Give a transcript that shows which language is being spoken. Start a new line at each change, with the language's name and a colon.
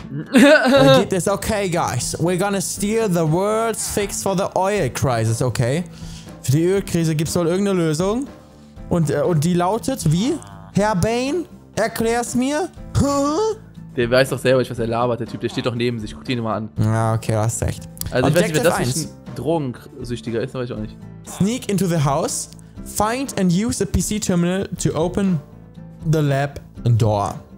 German: Geht es,
English: okay, guys, we're gonna steal the world's fix for the oil crisis, okay?
German: Für die Ölkrise gibt es wohl irgendeine Lösung. Und die lautet wie? Herr Bain, erklär's mir? Der weiß doch selber nicht, was er labert, der Typ. Der steht doch neben sich. Guck dir ihn mal an. Ja, okay, du hast recht. Also, Objective, ich weiß nicht, wer das ist. Ein Drogensüchtiger ist, weiß ich auch nicht.
English: Sneak into the house. Find and use a PC terminal to open the lab door.